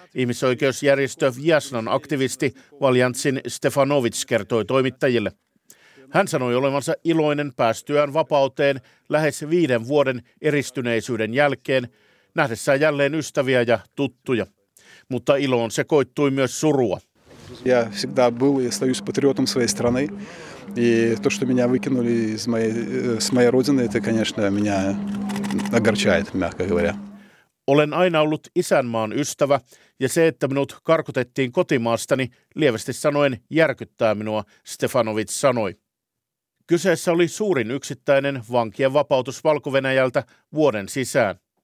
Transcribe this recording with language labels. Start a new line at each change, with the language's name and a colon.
Finnish: Ihmisoikeusjärjestö Vjasnan aktivisti Valjantsin Stefanovic kertoi toimittajille. Hän sanoi olevansa iloinen päästyään vapauteen lähes 5 vuoden eristyneisyyden jälkeen, nähdessään jälleen ystäviä ja tuttuja. Mutta iloon sekoittui myös surua.
Russian: Я всегда был и остаюсь патриотом своей страны. И то, что меня выкинули с моей родины, это, конечно, меня огорчает, мягко говоря.
Finnish: Olen aina ollut isänmaan ystävä, ja se, että minut karkotettiin kotimaastani, lievästi sanoen järkyttää minua, Stefanovic sanoi. Kyseessä oli suurin yksittäinen vankien vapautus Valko-Venäjältä vuoden sisään.